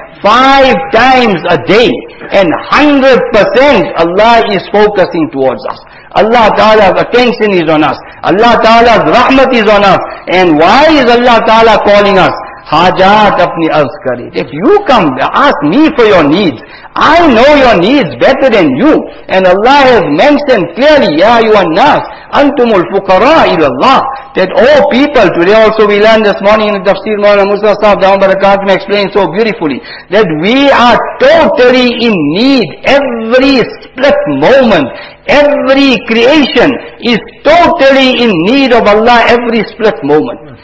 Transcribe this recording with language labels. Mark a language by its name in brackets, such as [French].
[English] 5 times a day. And 100% Allah is focusing towards us. Allah Ta'ala's attention is on us. Allah Ta'ala's rahmat is on us. And why is Allah Ta'ala calling us? [Urdu] حاجات اپنی عرض کری. [English] If you come, ask me for your needs. I know your needs better than you. And Allah has mentioned clearly, [Arabic] يَا أَيُّهَا النَّاسُ أَنْتُمُ الْفُقَرَاءُ إِلَى اللَّهِ. [English] That all people, today also we learned this morning in the Tafsir, Mawlana Musa Sahib, Dawud Barakat, may explain so beautifully, that we are totally in need. Every split moment, every creation is totally in need of Allah every split moment.